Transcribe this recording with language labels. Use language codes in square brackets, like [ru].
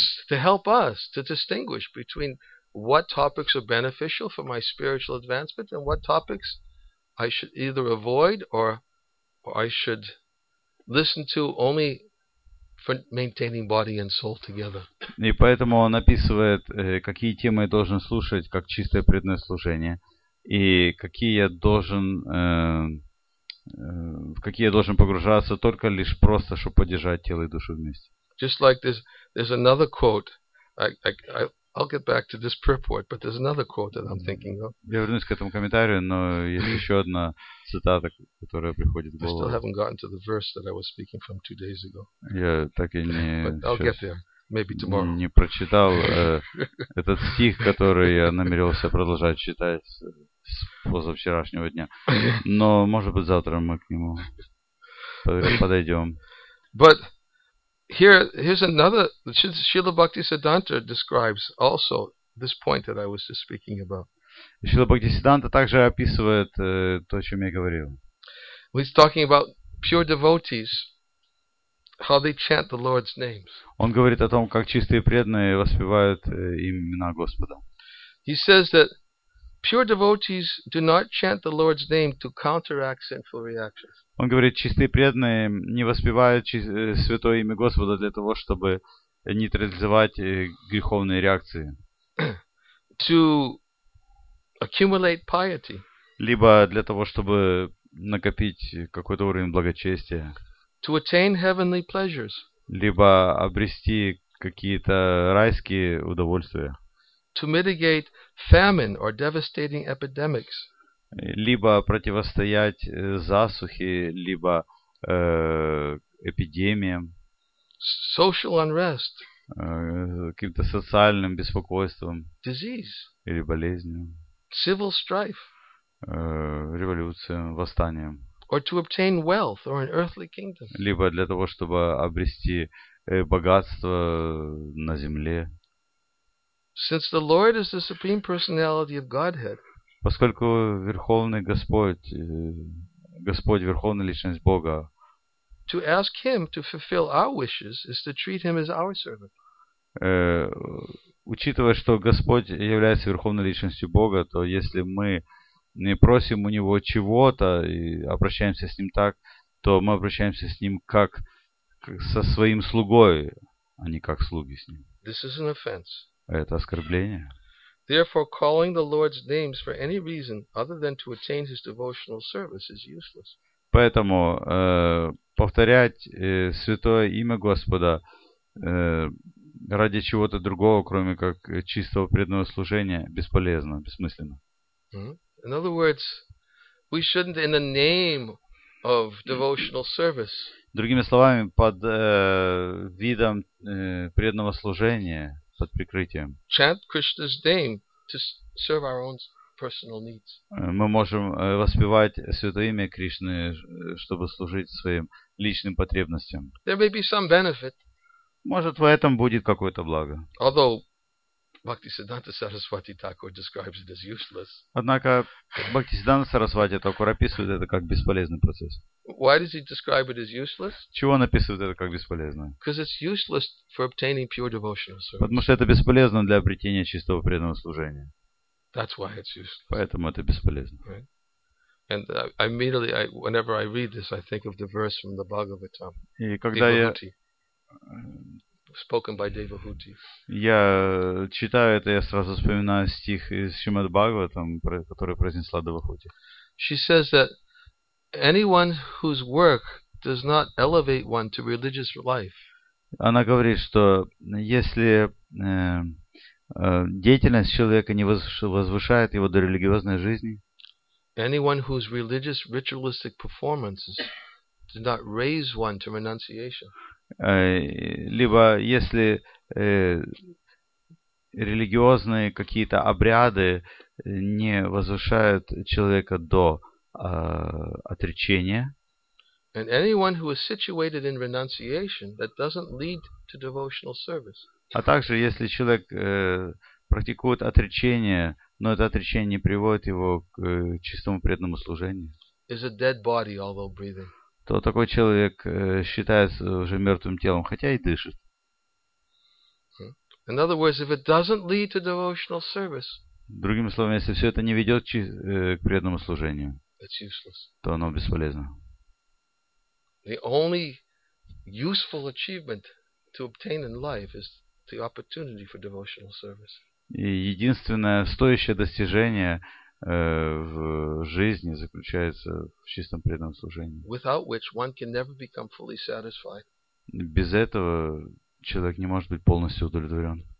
[en] To help us to distinguish between what topics are beneficial for my spiritual advancement and what topics I should either avoid or I should listen to only for maintaining body and soul together. [ru] И поэтому он описывает, какие темы я должен слушать как чистое преданное служение, и какие я должен в какие я должен погружаться только лишь просто, чтобы поддержать тело и душу вместе. [en] Just like there's another quote. I'll get back to this purport, but there's another quote that I'm thinking of. [ru] Я вернусь к этому комментарию, но есть еще одна цитата, которая приходит в голову. [en] I still haven't gotten to the verse that I was speaking from 2 days ago. [ru] Я так и не. [en] But I'll get there, maybe tomorrow. [ru] Не прочитал этот стих, который я намеревался продолжать читать с позавчерашнего дня, но может быть завтра мы к нему подойдем. [en] But Here's another. Srila Bhaktisiddhanta describes also this point that I was just speaking about. [ru] Srila Bhaktisiddhanta также описывает то, о чем я говорил. [en] He's talking about pure devotees, how they chant the Lord's names. [ru] Он говорит о том, как чистые преданные воспевают имена Господа. [en] He says that pure devotees do not chant the Lord's name to counteract sinful reactions. [ru] Он говорит, чистые преданные не воспевают святое имя Господа для того, чтобы нейтрализовать греховные реакции. [en] To accumulate piety. [ru] Либо для того, чтобы накопить какой-то уровень благочестия. [en] To attain heavenly pleasures. [ru] Либо обрести какие-то райские удовольствия. [en] To mitigate famine or devastating epidemics. [ru] Либо противостоять засухе, либо эпидемиям. [en] Social unrest. [ru] Каким-то социальным беспокойством. [en] Disease. [ru] Или болезнью. [en] Civil strife. [ru] Революциям, восстанием. [en] Or to obtain wealth or an earthly kingdom. [ru] Либо для того, чтобы обрести богатство на земле. [en] Since the Lord is the supreme personality of Godhead. [ru] Поскольку Верховный Господь, Господь Верховная Личность Бога, [en] to ask Him to fulfill our wishes is to treat Him as our servant. [ru] Учитывая, что Господь является Верховной Личностью Бога, то если мы не просим у Него чего-то и обращаемся с Ним так, то мы обращаемся с Ним как со своим слугой, а не как слуги с Ним. [en] This is an offense. [ru] Это оскорбление. [en] Therefore, calling the Lord's names for any reason other than to attain His devotional service is useless. [ru] Поэтому повторять святое имя Господа ради чего-то другого, кроме как чистого преданного служения, бесполезно, бессмысленно. [en] In other words, we shouldn't, in the name of devotional service. [ru] Другими словами, под видом преданного служения. Под прикрытием. [en] Chant Krishna's name to serve our own personal needs. [ru] Мы можем воспевать святое имя Кришны, чтобы служить своим личным потребностям. [en] There may be some benefit. [ru] Может, в этом будет какое-то благо. [en] Although Bhaktisiddhanta Saraswati Thakur describes it as useless. [ru] Однако Бхактисиддханта Сарасвати Такур описывает это как бесполезный процесс. [en] Why does he describe it as useless? [ru] Чего он описывает это как бесполезное? [en] Because it's useless for obtaining pure devotional service. [ru] Потому что это бесполезно для обретения чистого преданного служения. [en] That's why it's useless. Поэтому это бесполезно. Right? And immediately, whenever I read this, I think of the verse from the Bhagavatam. [ru] И когда я [en] spoken by Devahuti. [ru] Я читаю это, я сразу вспоминаю стих из Шримад Бхагаватам, который произнесла Девахути. [en] She says that anyone whose work does not elevate one to religious life. [ru] Она говорит, что если деятельность человека не возвышает его до религиозной жизни, [en] anyone whose religious ritualistic performances do not raise one to renunciation. [ru] Либо если религиозные какие-то обряды не возвышают человека до отречения. [en] And anyone who is situated in renunciation that doesn't lead to devotional service. [ru] А также, если человек практикует отречение, но это отречение не приводит его к чистому преданному служению. [en] Is a dead body, although breathing. [ru] То такой человек считается уже мертвым телом, хотя и дышит. [en] In other words, if it doesn't lead to devotional service. [ru] Другими словами, если все это не ведет к преданному служению, [en] it's useless. [ru] То оно бесполезно. [en] The only useful achievement to obtain in life is the opportunity for devotional service. [ru] И единственное стоящее достижение в жизни заключается в чистом преданном служении. [en] Without which one can never become fully satisfied. [ru] Без этого человек не может быть полностью удовлетворен.